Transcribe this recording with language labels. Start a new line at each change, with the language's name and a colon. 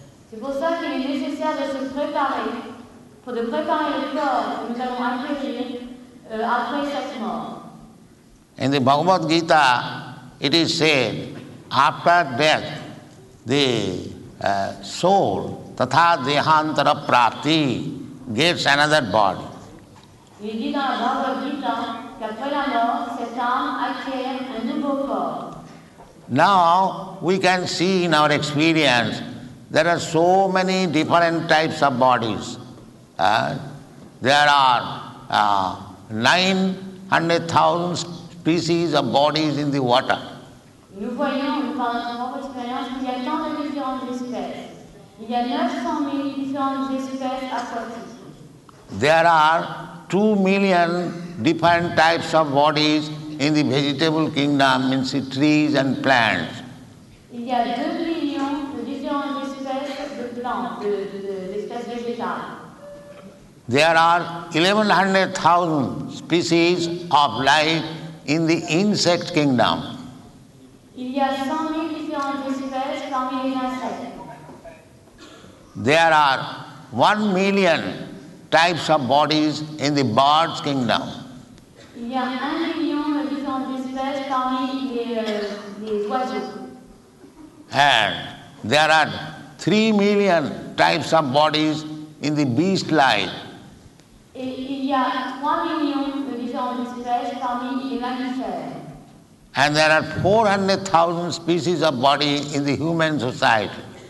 French: C'est pour ça qu'il est nécessaire de se préparer, pour de préparer le corps que nous allons acquérir après cette mort.
English: In the Bhagavad Gita, it is said, after death, the soul,
Sanskrit: tatha dehantara prapti,
English: gets another body.
French: Il dit dans le Bhagavad Gita qu'après la mort, cette âme acquiert un nouveau corps.
English: Now, we can see in our experience, there are so many different types of bodies. There are 900,000 species of bodies in the water.
French: Nous voyons, nous parlons de notre expérience, qu'il y a tant de différentes espèces. Il y a 900 000 différentes espèces aquatiques.
English: There are 2 million different types of bodies in the vegetable kingdom, means trees and plants.
French: Il y a 2 millions de différentes espèces de plantes, de espèces végétales.
English: There are 1,100,000 species of life in the insect kingdom.
French: Il y a 100 000 différentes espèces parmi les insectes.
English: There are 1 million types of bodies in the birds kingdom.
French: Il y a 1 million de différentes espèces parmi les oiseaux.
English: And there are 3 million types of bodies in the beast life.
French: Et il y a 3 millions de différentes espèces parmi les mammifères.
English: And there are 400,000 species of body in the human society.